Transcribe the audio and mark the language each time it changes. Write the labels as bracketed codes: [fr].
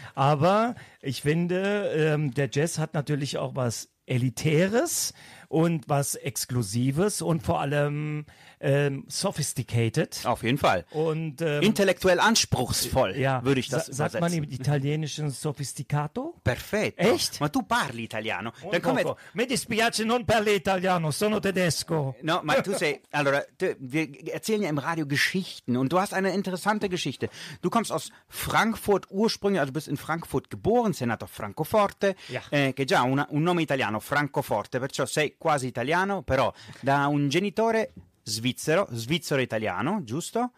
[de] Aber ich finde, der Jazz hat natürlich auch was Elitäres und was Exklusives und vor allem sophisticated. Auf jeden Fall. Und intellektuell anspruchsvoll, ja, würde ich das sagen. Sagt man im Italienischen sophisticato? [it] Perfetto. [de] Echt? [it] Ma tu parli italiano. [de] Dann komm jetzt. [it] Mi dispiace, non parli italiano, sono tedesco. No, ma tu sei, allora, [de] wir erzählen ja im Radio Geschichten und du hast eine interessante Geschichte. Du kommst aus Frankfurt ursprünglich, also bist in Frankfurt geboren, [it] sei nato a Francoforte, [de] ja. [it] Che già un nome italiano, Francoforte, perciò sei quasi italiano, però da un genitore svizzero, svizzero italiano, giusto?